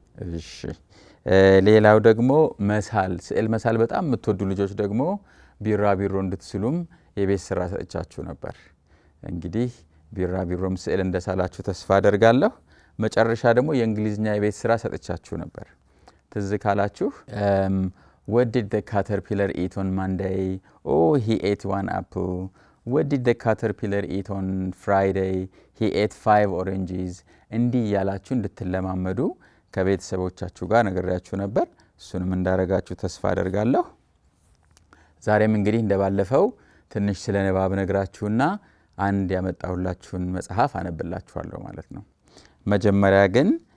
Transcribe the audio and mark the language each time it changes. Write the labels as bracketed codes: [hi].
[am] እሺ። ሌላው ደግሞ መሳል፣ ስዕል መሳል በጣም የምትወዱ ልጆች ደግሞ ቢራቢሮ እንድትስሉም የቤት ስራ ሰጥቻችሁ ነበር። እንግዲህ ቢራቢሮም ስዕል እንደሳላችሁ ተስፋ አደርጋለሁ። መጨረሻ ደግሞ የእንግሊዝኛ የቤት ስራ ሰጥቻችሁ ነበር። ትዝ ካላችሁ [en] What did the caterpillar eat on Monday? Oh, he ate one apple. What did the caterpillar eat on Friday? He ate five oranges. [am] እንዲህ ያላችሁ እንድትለማመዱ ከቤተሰቦቻችሁ ጋር ነግሬያችሁ ነበር። እሱንም እንዳረጋችሁ ተስፋ አደርጋለሁ። ዛሬም እንግዲህ እንደባለፈው ትንሽ ስለ ንባብ ነግራችሁና አንድ ያመጣሁላችሁን መጽሐፍ አነብላችኋለሁ ማለት ነው። መጀመሪያ ግን